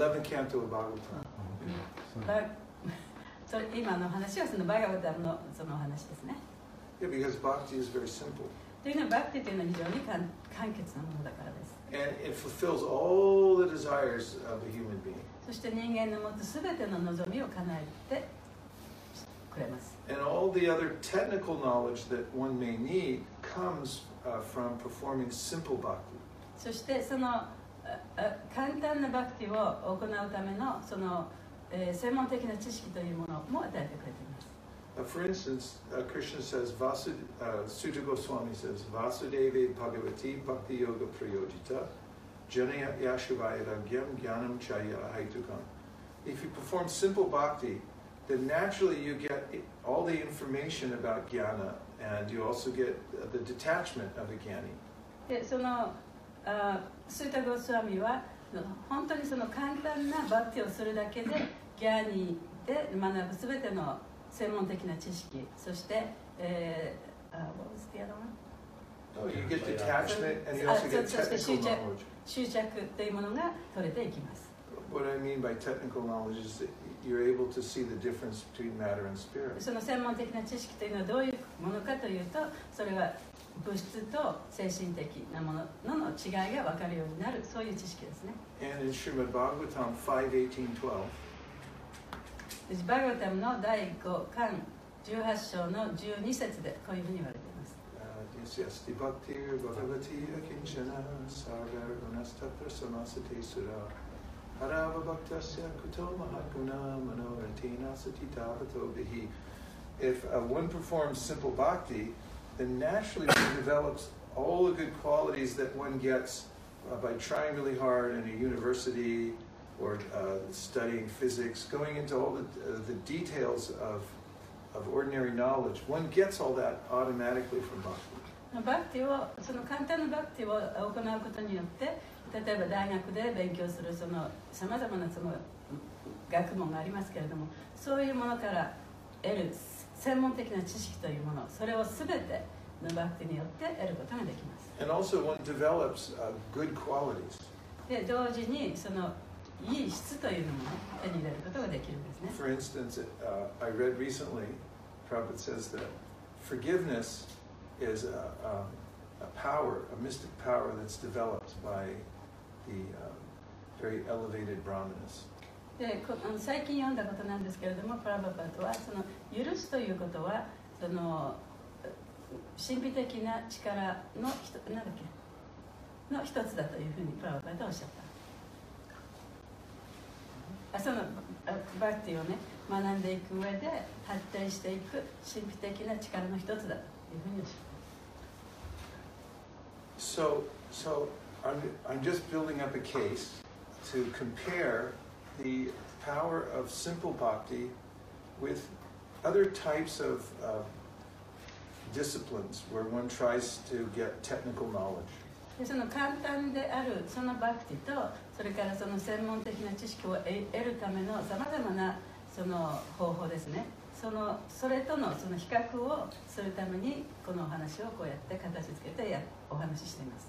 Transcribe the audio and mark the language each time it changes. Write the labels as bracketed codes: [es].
[ja] ム、11キャントはバガヴァタム、それ今の話はそのバガヴァタムのその話ですね。 [en] Yeah, because bhakti is very simple. [ja] というのはバクティというのは非常に簡潔なものだからです。 [en] And it fulfills all the desires of a human being. [ja] そして人間の持つ全ての望みを叶えてくれます。 [en] And all the other technical knowledge that one may need comes from performing simple bhakti. [ja] そしてその簡単なバクティを行うためのその専門的な知識というものも与えてくれています。 [en] For instance, Krishna says, Suta Goswami says, [sa] Vasudeva Bhagavati Bhakti Yoga Prayojita Janaya Yashuvaya Ragyam Jnanam Chaya Haitukam. [en] If you perform simple bhakti, then naturally you get all the information about jnana and you also get the detachment of the jnani. [ja] その、Suta Goswami は本当にその簡単なバッティをするだけでギャーニーで学ぶ全ての専門的な知識そして、 [en] What was the other one? You get detachment and you also get technical knowledge. [ja] 執着というものが取れていきます。 [en] What I mean by technical knowledge is that you're able to see the difference between matter and spirit. [ja] その専門的な知識というのはどういうものかというとそれは物質と精神的なもの の違いが分かるようになるそういう知識ですね。 [en] And in Srimad Bhagavatam 5.18.12 [ja] バガヴァタムの第5巻18章の12節でこういうふうに言われています。 [sa] Yasyasti bhaktir bhagavati akinchana sarvar gunasta prasamasate sura harava bhaktasya kuto mahakuna manoratina satitavato bihi. [en] If one performs simple bhakti,then naturally he develops all the good qualities that one gets by trying really hard in a university or studying physics, going into all the details of ordinary knowledge. One gets all that automatically from bhakti. [ja] Bhakti, その簡単なバクティを行うことによって、例えば大学で勉強するそのさまざまなその学問がありますけれども、そういうものから得る専門的な知識というもの、それをすべてのバクティによって得ることができます。 [en] And also one develops good qualities. [ja] で、同時にそのいい質というのも手に入れることができるんですね。 [en] For instance, I read recently, Prabhupada says that forgiveness is a power, a mystic power that's developed by the very elevated brahmanas. [ja] 最近読んだことなんですけれども、プラバパトはその許すということはその神秘的な力の一つなんだっけの一つだというふうにプラバパトはおっしゃった。そのバクティをね学んでいく上で発展していく神秘的な力の一つだというふうにおっしゃった。 [en] So I'm just building up a case to compare. The power of simple bhakti with other types of disciplines where one tries to get technical knowledge. [ja] その簡単であるそのバクティとそれからその専門的な知識を得るためのさまざまなその方法ですね。それとのその比較をするためにこのお話をこうやって形付けてお話ししています。